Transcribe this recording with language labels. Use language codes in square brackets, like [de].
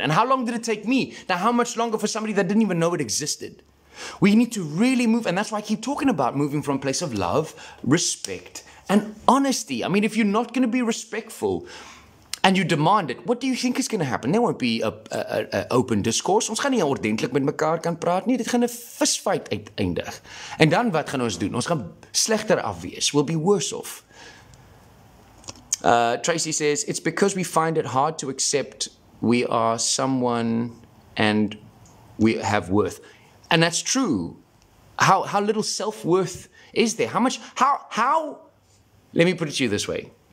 [en] And how long did it take me? Now, how much longer for somebody that didn't even know it existed? We need to really move. And that's why I keep talking about moving from a place of love, respect, and honesty. I mean, if you're not going to be respectful and you demand it, what do you think is going to happen? There won't be a open discourse. [af] Ons gaan nie ordentlik met mekaar kan praat nie. Dit gaan 'n fistfight uiteindig. En dan wat gaan ons doen? Ons gaan slegter af wees. [en] We'll be worse off. Tracy says, it's because we find it hard to accept we are someone and we have worth. And that's true. How little self-worth is there? How much... Let me put it to you this way.